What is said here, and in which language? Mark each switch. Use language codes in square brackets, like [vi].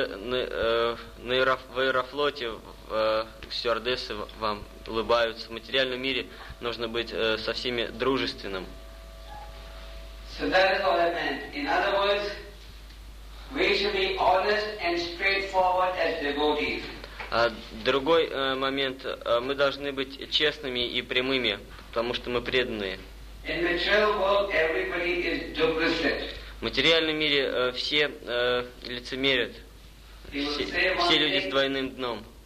[ru] В аэрофлоте стюардессы вам улыбаются. В материальном мире нужно быть со всеми дружественным. [en] So that is what I meant. In other words, we should be honest and straightforward as devotees. [ru] Другой момент. Мы должны быть честными и прямыми, потому что мы преданные. [en] In the material world, everybody is duplicit. [ru] В материальном мире все лицемерят. Все люди с двойным дном.